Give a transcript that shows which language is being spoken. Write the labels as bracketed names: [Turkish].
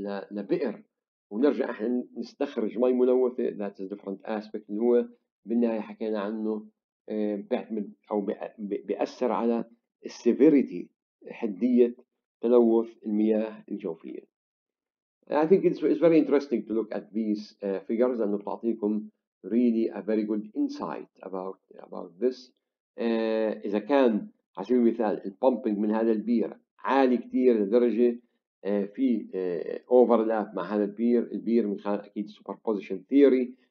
[Arabic] لبئر ونرجع احنا نستخرج مي ملوثه؟ [English] that is different aspect, [Arabic] اللي هو بالنهايه حكينا عنه بيعتمد او بيأثر على السيفيريتي، حديه تلوث المياه الجوفيه. [English] I think it's very interesting to look at these figures، [Arabic] لانه بتعطيكم [English] really a very good insight about this. [Arabic] إذا كان على سبيل المثال البامبنج من هذا البير عالي كثير لدرجة في اوفرلاب مع هذا البير من خلال أكيد سوبر بوزيشن ثيوري